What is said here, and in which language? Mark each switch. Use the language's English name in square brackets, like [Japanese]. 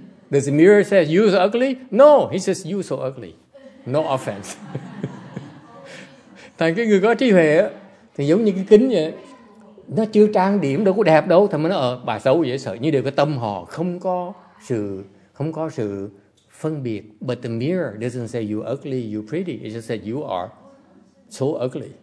[English] Does the mirror say you are so ugly? No, he says you are so ugly. No offense. [Vietnamese] Thành cái người có trí huệ thì giống như cái kính vậy. Nó chưa trang điểm đâu có đẹp đâu. Thành mới nói bà xấu dễ sợ. Như đều cái tâm họ không có sự phân biệt. [English] But the mirror doesn't say you are ugly, you are pretty. It just said you are so ugly.